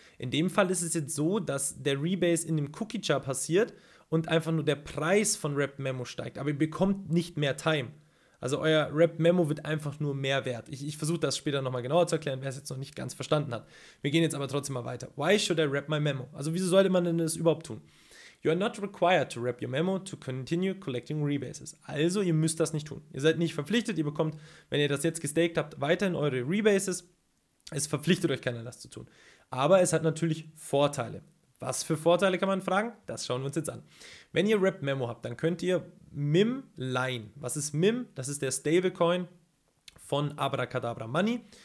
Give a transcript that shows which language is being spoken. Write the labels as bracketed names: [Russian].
[German] In dem Fall ist es jetzt so, dass der Rebase in dem Cookie-Jar passiert und einfach nur der Preis von Wrapped Memo steigt. Aber ihr bekommt nicht mehr Time. Also euer Wrapped Memo wird einfach nur mehr wert. Ich versuche das später nochmal genauer zu erklären, wer es jetzt noch nicht ganz verstanden hat. Wir gehen jetzt aber trotzdem mal weiter. [English] Why should I wrap my Memo? [German] Also wieso sollte man denn das überhaupt tun? [English] You are not required to wrap your Memo to continue collecting Rebases. [German] Also ihr müsst das nicht tun. Ihr seid nicht verpflichtet. Ihr bekommt, wenn ihr das jetzt gestaked habt, weiterhin eure Rebases. Es verpflichtet euch keiner, das zu tun. Aber es hat natürlich Vorteile. Was für Vorteile, kann man fragen? Das schauen wir uns jetzt an. Wenn ihr Wrapped Memo habt, dann könnt ihr MIM leihen. Was ist MIM? Das ist der Stablecoin von Abracadabra Money.